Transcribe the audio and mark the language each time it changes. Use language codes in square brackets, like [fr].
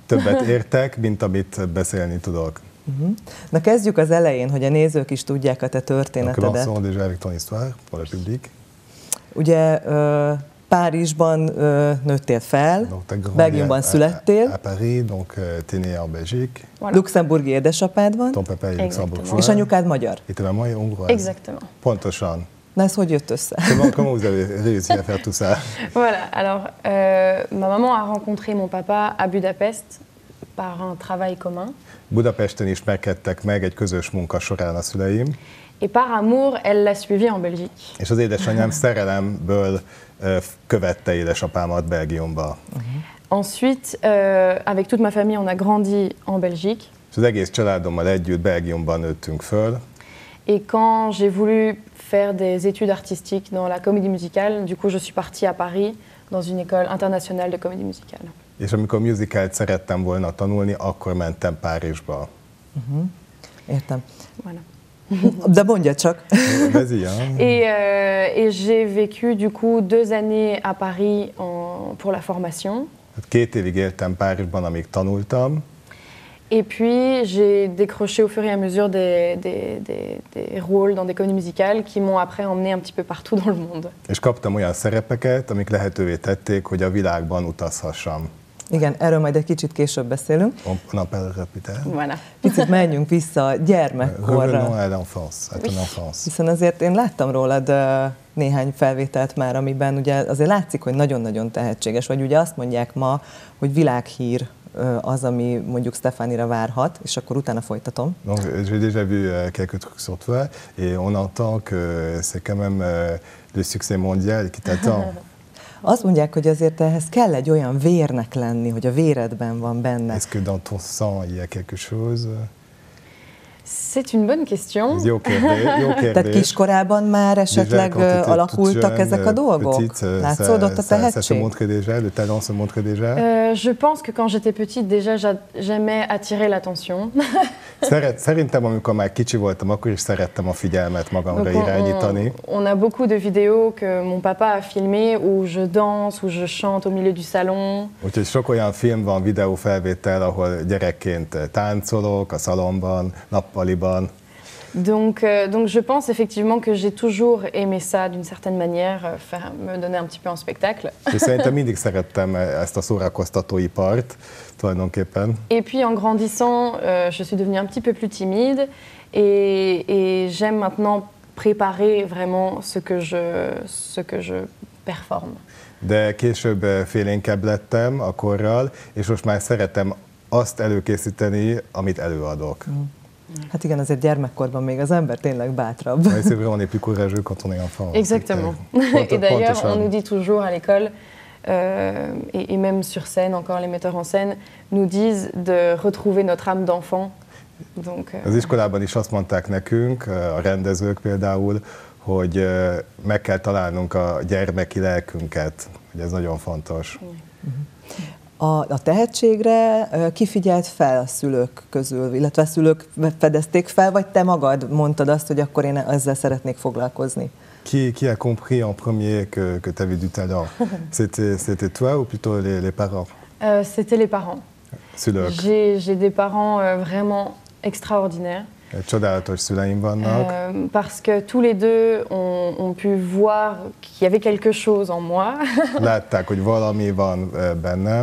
[hu] Többet értek, mint amit beszélni tudok. Uh-huh. Na, kezdjük az elején, hogy a nézők is tudják a te történetedet. [fr] Croissant déjà avec ton histoire, pour le public. [hu] Ugye Párizsban nőttél fel, Belgiumban születtél. [fr] À Paris, donc t'es né en Belgique. Voilà. [hu] Luxemburgi édesapád van. [fr] Ton papa est luxembourgeois. [hu] És anyukád magyar. [fr] Et ta maman est hongroise. Exactement. [hu] Pontosan. Na, ez hogy jött össze? [fr] Comment vous avez réussi à faire tout ça? Voilà, alors, ma maman a rencontré mon papa à Budapest par un travail commun. [hu] Budapesten ismerkedtek meg egy közös munka során a szüleim. [fr] Et par amour, elle l'a suivi en Belgique. [hu] És az édesanyám szerelemből követte édesapámat Belgiumba. Uh-huh. [fr] Ensuite, avec toute ma famille, on a grandi en Belgique. [hu] És az egész családommal együtt Belgiumban nőttünk föl. [fr] Et quand j'ai voulu faire des études artistiques dans la comédie musicale, du coup je suis partie à Paris dans une école internationale de comédie musicale. [hu] És amikor musicalt szerettem volna tanulni, akkor mentem Párizsba. Uh-huh. Értem. [fr] Voilà. [hu] De mondja csak. [fr] Vas-y, hein. Et j'ai vécu du coup deux années à Paris pour la formation. [hu] Két évig éltem Párizsban, amíg tanultam. [fr] Et puis j'ai décroché au fur et à mesure des rôles dans des comédies musicales qui m'ont après emmené un petit peu partout dans le monde. [hu] És kaptam olyan szerepeket, amik lehetővé tették, hogy a világban utazhassam. Igen, erről majd egy kicsit később beszélünk. [fr] On a parlé rapide. Voilà. [hu] Picit menjünk vissza gyermekkorra. [fr] Revenons à l'enfance. À ton enfance. [hu] Hiszen azért én láttam rólad néhány felvételt már, amiben ugye azért látszik, hogy nagyon-nagyon tehetséges vagy. Ugye azt mondják ma, hogy világhír az, ami mondjuk Stefanira várhat, és akkor utána folytatom. [fr] Donc, j'ai déjà vu quelques trucs sur toi, et on entend que c'est quand même le succès mondial qui t'attend. [hu] Azt mondják, hogy azért ehhez kell egy olyan vérnek lenni, hogy a véredben van benne. [fr] Est-ce que dans ton sang il y a quelque chose? C'est une bonne question. [hu] Jó kérdés. Jó kérdés. Tehát kiskorában már esetleg alakultak ezek a dolgok? Látszódott a tehetség? [fr] Ça se montre déjà, le talent se montre déjà. Je pense que quand j'étais petite, déjà j'aimais attirer l'attention. [hu] Szerintem, amikor már kicsi voltam, akkor is szerettem a figyelmet magamra irányítani. [fr] On a beaucoup de vidéos que mon papa a filmé, où je danse, où je chante au milieu du salon. [hu] Úgyhogy sok olyan film van, videófelvétel, ahol gyerekként táncolok a szalomban, nappaliban. [fr] Donc je pense effectivement que j'ai toujours aimé ça d'une certaine manière, me donner un petit peu en spectacle. [hu] És szerintem mindig szerettem ezt a szórakoztatóipart. [fr] Et puis en grandissant, je suis devenue un petit peu plus timide et j'aime maintenant préparer vraiment ce que je performe. [hu] De később félénkebb lettem a korral, és most már szeretem azt előkészíteni, amit előadok. Hát igen, azért gyermekkorban még az ember tényleg bátrabb. [fr] C'est vrai, on est plus courageux quand on est enfant. Exactement. Et d'ailleurs, on nous dit toujours à l'école et même sur scène, encore les metteurs en scène nous disent de retrouver notre âme d'enfant. Donc, [hu] az iskolában is azt mondták nekünk, a rendezők például, hogy meg kell találnunk a gyermeki lelkünket, hogy ez nagyon fontos. A tehetségre ki figyelt fel a szülők közül, illetve a szülők fedezték fel, vagy te magad mondtad azt, hogy akkor én ezzel szeretnék foglalkozni? [fr] Qui a compris en premier que tu avais du talent? C'était toi ou plutôt les parents? C'était les parents. [hu] Szülők. [fr] J'ai des parents vraiment extraordinaires. [hu] Csodálatos szüleim vannak. [fr] Parce que tous les deux ont pu voir qu'il y avait quelque chose en moi. [hu] Látták, hogy valami van bennem.